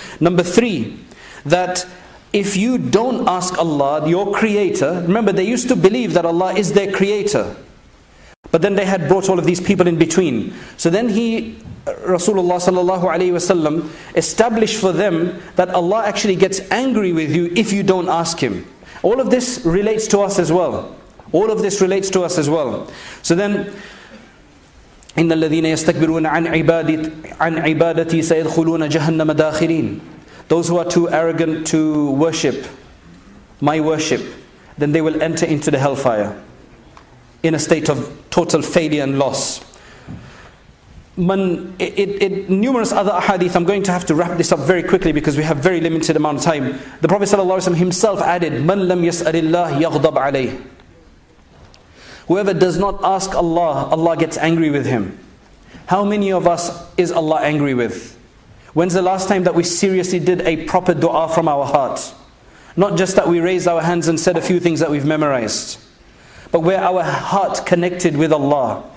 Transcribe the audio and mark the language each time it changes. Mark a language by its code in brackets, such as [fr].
[en] Number three, that if you don't ask Allah, your creator, remember they used to believe that Allah is their creator, but then they had brought all of these people in between. So then he Rasulullah sallallahu alayhi wa sallam established for them that Allah actually gets angry with you if you don't ask Him. All of this relates to us as well. All of this relates to us as well. So then, [ar] إِنَّ الَّذِينَ يَسْتَكْبِرُونَ عَنْ عِبَادَتِي سَيَدْخُلُونَ جَهَنَّمَ دَاخِرِينَ. [en] Those who are too arrogant to worship my worship, then they will enter into the hellfire in a state of total failure and loss. Numerous other ahadith, I'm going to have to wrap this up very quickly because we have very limited amount of time. The Prophet ﷺ himself added, [ar] مَنْ لَمْ يَسْأَلِ اللَّهِ يَغْضَبْ عَلَيْهِ. [en] Whoever does not ask Allah, Allah gets angry with him. How many of us is Allah angry with? When's the last time that we seriously did a proper dua from our heart? Not just that we raised our hands and said a few things that we've memorized, but where our heart connected with Allah.